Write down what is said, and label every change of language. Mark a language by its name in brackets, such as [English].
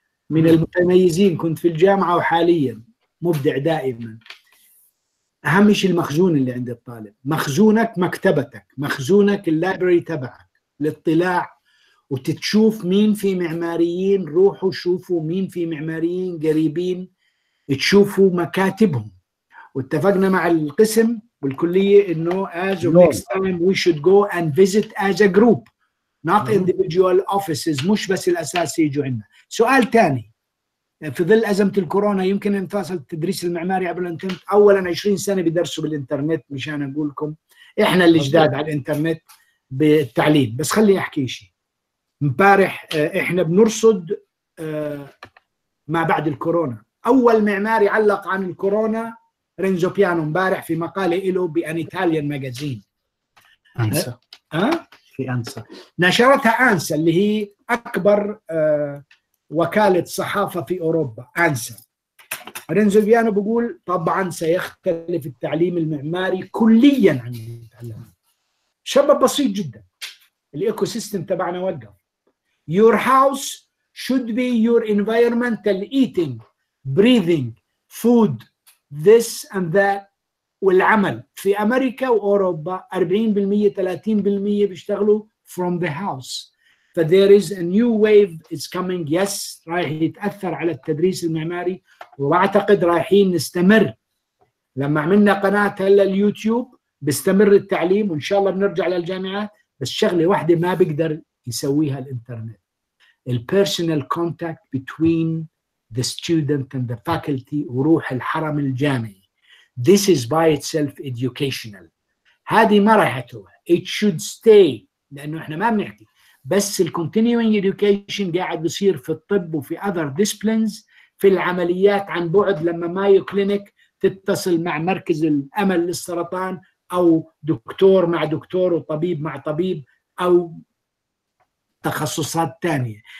[Arabic] من المتميزين كنت في الجامعة وحاليا مبدع دائما. أهم شيء المخزون اللي عند الطالب، مخزونك مكتبتك، مخزونك اللايبرري تبعك للطلاع وتتشوف مين في معماريين روحوا شوفوا مين في معماريين قريبين تشوفوا مكاتبهم. واتفقنا مع القسم والكلية إنه [English] as of next time we should go and visit as a group not individual offices. [Arabic] مش بس الأساس يجوا عندنا. سؤال تاني، في ظل أزمة الكورونا يمكن انفصل التدريس المعماري عبر الانترنت؟ أولا 20 سنة بيدرسوا بالانترنت مشان أقولكم إحنا اللي جداد على الانترنت بالتعليم. بس خلي أحكي شيء، مبارح إحنا بنرصد ما بعد الكورونا. أول معماري علق عن الكورونا رينزو بيانو مبارح في مقالة إله بأن إيطاليان ماجازين أنسا نشرتها أنسا اللي هي أكبر وكالة صحافة في أوروبا. أنسا رينزو بيانو بيقول طبعا سيختلف التعليم المعماري كليا عن التعليم. شباب بسيط جدا، الإيكو سيستم تبعنا وقف. [English] Your house should be your environmental eating, breathing, food, this and that. [Arabic] والعمل في أمريكا وأوروبا 40% 30% بيشتغلوا [English] from the house. But there is a new wave is coming. Yes, [Arabic] رايح يتأثر على التدريس المعماري وأعتقد رايحين نستمر. لما عملنا قناة هلا اليوتيوب بيستمر التعليم وإن شاء الله بنرجع للجامعات. بس شغلة واحدة ما بيقدر يسويها الإنترنت، ال [English] personal contact between the student and the faculty [Arabic] وروح الحرم الجامعي. [English] This is by itself educational. [Arabic] هذه ما راح تروح. [English] It should stay. [Arabic] لأنه إحنا ما بنحكي بس الـ continuing education قاعد يصير في الطب وفي [English] other disciplines [Arabic] في العمليات عن بعد. لما مايو كلينيك تتصل مع مركز الأمل للسرطان أو دكتور مع دكتور وطبيب مع طبيب أو تخصصات تانية.